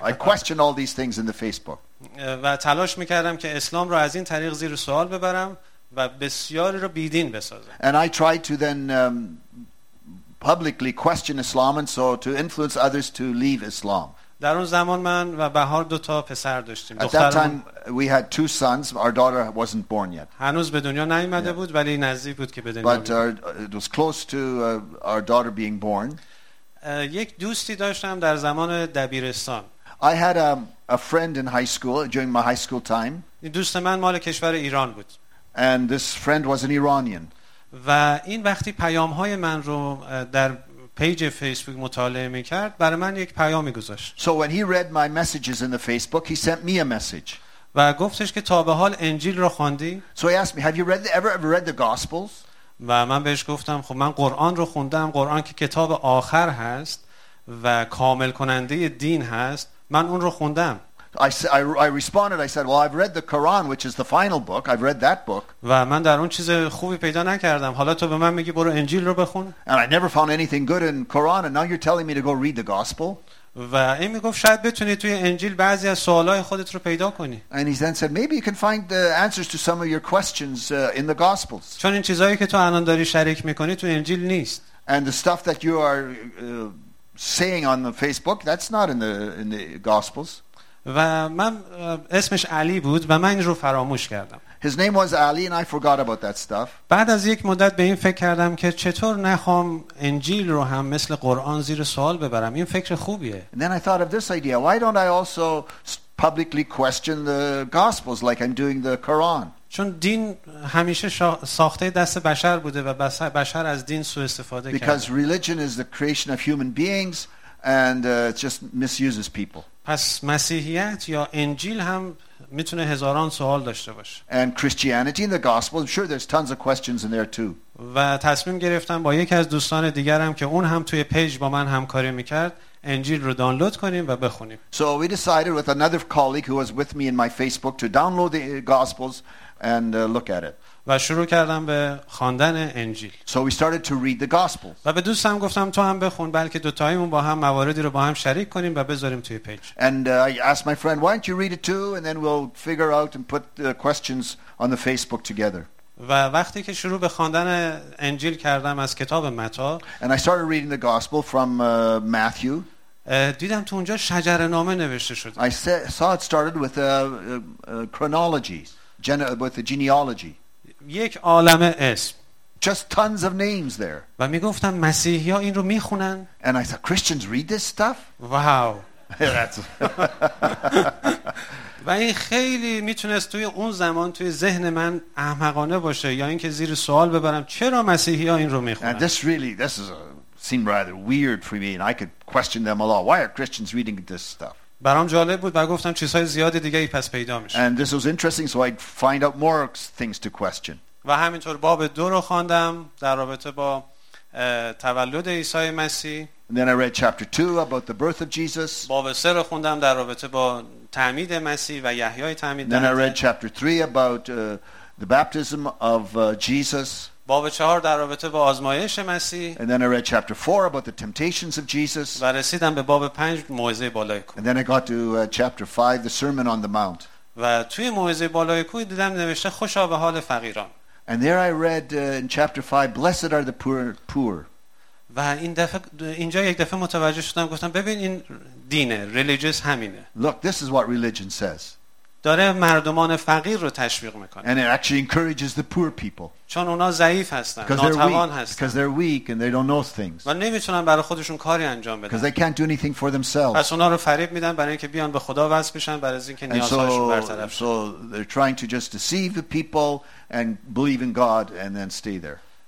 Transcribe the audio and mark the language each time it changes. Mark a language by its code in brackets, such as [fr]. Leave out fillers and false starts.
[en] I questioned all these things in the Facebook. [fa] و تلاش میکردم که اسلام رو از این طریق زیر سوال ببرم و بسیاری رو بیدین بسازم. [en] And I tried to then publicly question Islam and so to influence others to leave Islam. [fa] در اون زمان من و بهار دو تا پسر داشتیم. [en] At that time, we had two sons. Our daughter wasn't born yet. [fa] هنوز به دنیا نیامده بود ولی نزدیک بود که به دنیا بیاد. [en] It was close to our daughter being born. [fa] یک دوستی داشتم در زمان دبیرستان. [en] I had a friend in high school during my high school time. [fa] این دوست من مال کشور ایران بود. [en] And this friend was an Iranian. [fa] و این وقتی پیام‌های من رو در پیج فیسبوک مطالعه می‌کرد، برای من یک پیامی گذاشت. [en] So when he read my messages in the Facebook, he sent me a message. [fa] و گفتش که تا به حال انجیل رو خواندی؟ [en] So he asked me, have you ever read the Gospels? [fa] و من بهش گفتم خب من قرآن رو خوندم، قرآن که کتاب آخر هست و کامل کننده دین هست، من اون رو خوندم. [en] I responded, I said, well, I've read the Quran, which is the final book. I've read that book. [fa] و من در اون چیز خوبی پیدا نکردم. حالا تو به من میگی برو انجیل رو بخون. [en] And I never found anything good in Quran, and now you're telling me to go read the gospel. [fa] و این میگفت شاید بتونی توی انجیل بعضی از سوالای خودت رو پیدا کنی. [en] And he then said, maybe you can find the answers to some of your questions in the gospels. [fa] چون این چیزایی که تو الان داری شریک میکنی تو انجیل نیست. [en] And the stuff that you are saying on the Facebook, that's not in the gospels. [fa] و من اسمش علی بود و من این رو فراموش کردم. [en] His name was Ali and I forgot about that stuff. [fa] بعد از یک مدت به این فکر کردم که چطور نخوام انجیل رو هم مثل قرآن زیر سوال ببرم. این فکر خوبیه. [en] And then I thought of this idea. Why don't I also publicly question the gospels like I'm doing the Quran? [fa] چون دین همیشه ساخته دست بشر بوده و بشر از دین سوء استفاده کرده. [en] Because religion is the creation of human beings and it just misuses people. [fa] پس مسیحیت یا انجیل هم میتونه هزاران سوال داشته باشه. [en] And Christianity and the gospel, I'm sure there's tons of questions in there too. [fa] و تصمیم گرفتم با یکی از دوستان دیگرم که اون هم توی پیج با من همکاری میکرد انجیل رو دانلود کنیم و بخونیم. [en] So we decided with another colleague who was with me in my Facebook to download the gospels and look at it. [fa] و شروع کردم به خواندن انجیل. [en] So we started to read the gospels. [fa] و به دوستم گفتم تو هم بخون، بلکه دو تایمون با هم مواردی رو با هم شریک کنیم و بذاریم توی پیج. [en] And I asked my friend, why don't you read it too and then we'll figure out and put the questions on the Facebook together. [fa] و وقتی که شروع به خواندن انجیل کردم از کتاب متا، [en] and I started reading the gospel from Matthew. [fa] دیدم تو اونجا شجره نامه نوشته شده. [en] I saw it started with a chronology, with a genealogy. [fa] یک عالمه اسم. [en] Just tons of names there. [fa] و میگفتم مسیحی‌ها این رو میخونن. [en] And I thought Christians read this stuff. Wow. That's. [fa] و این خیلی میتونست توی اون زمان توی ذهن من احمقانه باشه یا اینکه زیر سوال ببرم چرا مسیحی‌ها این رو میخونن. [en] And this really, this is seemed rather weird for me, and I could question them a lot. Why are Christians reading this stuff? [fa] برام جالب بود و گفتم چیزهای زیادی دیگه ای پس پیدا میشه. [en] And this was interesting, so I'd find out more things to question. [fa] و همینطور باب دو رو خواندم در رابطه با تولد عیسی مسیح. [en] And then I read chapter 2 about the birth of Jesus. [fa] باب سه رو خواندم در رابطه با تعمید مسیح و یحیای تعمید دهنده. [en] Then I read chapter 3 about the baptism of Jesus. [fa] باب چهار در رابطه با آزمایش مسیح. [en] And then I read chapter 4 about the temptations of Jesus. [fa] و رسیدم به باب پنج موعظه بالای کوه. [en] And then I got to chapter 5, the sermon on the mount. [fa] و توی موعظه بالای کوه دیدم نوشته خوشا به حال فقیران. [en] And there I read in chapter 5, blessed are the poor. [fa] و این دفعه اینجا یک دفعه متوجه شدم گفتم ببین این دینه، religious همینه. [en] Look, this is what religion says. [fa] داره مردمان فقیر رو تشویق میکنه. [en] And it actually encourages the poor people. [fa] چون اونا ضعیف هستن، ناتوان هستن. [en] Because they're weak and they don't know things. [fa] و نمیتونن برای خودشون کاری انجام بدن. [en] Because they can't do anything for themselves. [fa] پس اونا رو فریب میدن برای اینکه بیان به خدا وصل بشن، برای اینکه نیازهاشون برطرف شه. [en] So they're trying to just deceive the people and believe in God and then stay there.